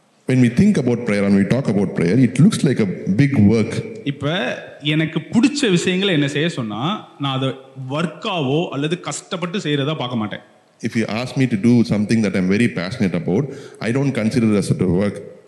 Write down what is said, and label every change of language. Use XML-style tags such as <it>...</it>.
<en>When we think about prayer and we talk about prayer, it looks like a big work.</en> <ta>இப்ப எனக்கு பிடிச்ச விஷயங்களை என்ன செய்ய சொன்னா நான் அதை வர்க்காவோ அல்லது கஷ்டப்பட்டு செய்யறதா பார்க்க மாட்டேன்.</ta> <en>If you ask me to do something that I'm very passionate about, I don't consider it as a work.</en>